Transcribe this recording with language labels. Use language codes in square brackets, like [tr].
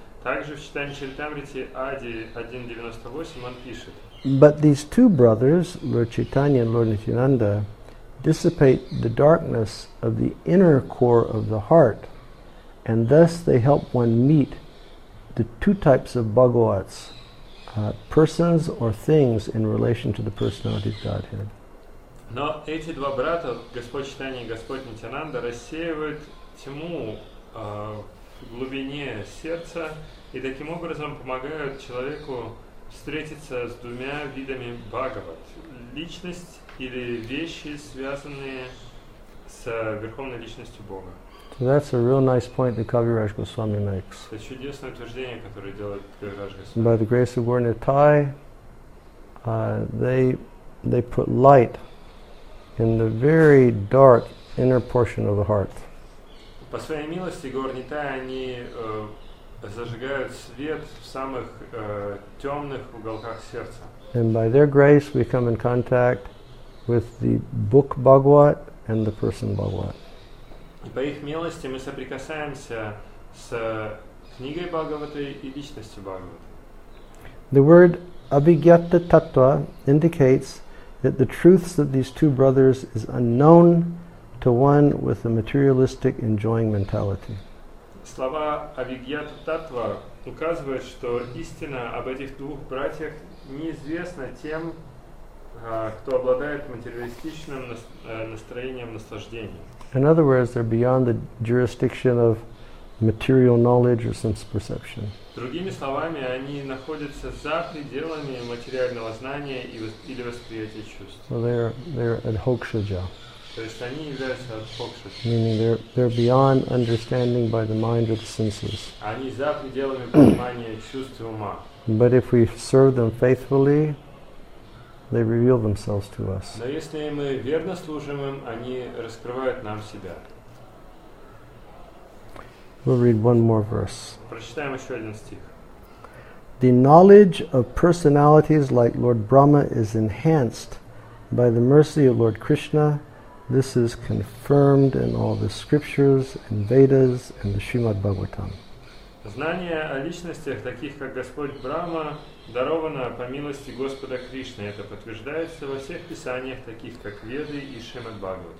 [ru] Также в Читании Чаритамрите Ади 1.98 он пишет. [en] But these two brothers, Lord Chaitanya and Lord Nityananda, dissipate the darkness of the inner core of the heart, and thus they help one meet the two types of Bhagavats, persons or things in relation to the personality of Godhead. [ru] Но эти два брата, Господь Читания и Господь Нитянанда, рассеивают тьму в глубине сердца и таким образом помогают человеку встретиться с двумя видами Бхагават. Личность или вещи, связанные с Верховной Личностью Бога. [en] So that's a real nice point that Kaviraj Goswami makes. [ru] Это чудесное утверждение, которое делает Кавирадж Госвами. [en] By the grace of Gornitai, they put light in the very dark inner portion of the heart. [ru] По своей милости Горнитай они зажигают свет в самых темных уголках сердца. [en] And by their grace we come in contact with the book Bhagavat and the person Bhagavat. [ru] И по их милости мы соприкасаемся с книгой Бхагавата и личностью Бхагавата. [en] The word abhigyata tattva indicates that the truths of these two brothers is unknown to one with a materialistic enjoying mentality. [ru] Слова абхигьята таттва указывают, что истина об этих двух братьях неизвестна тем, кто обладает материалистичным настроением наслаждения. [en] In other words, they're beyond the jurisdiction of material knowledge or sense perception. [ru] Другими словами, они находятся за пределами материального знания или восприятия чувств. [en] Well, they're adhokshaja. [ru] То есть они являются адхокшаджа. [en] Meaning they're beyond understanding by the mind or the senses. [ru] Они за пределами понимания чувств и ума. [en] But if we serve them faithfully, they reveal themselves to us. [ru] Но если мы верно служим им, они раскрывают нам себя. [en] We'll read one more verse. [ru] Прочитаем еще один стих. [en] The knowledge of personalities like Lord Brahma is enhanced by the mercy of Lord Krishna. This is confirmed in all the scriptures and Vedas and the Srimad Bhagavatam. [ru] Знание о личностях, таких как Господь Брахма, даровано по милости Господа Кришны. Это подтверждается во всех писаниях, таких как Веды и Шримад Бхагаватам.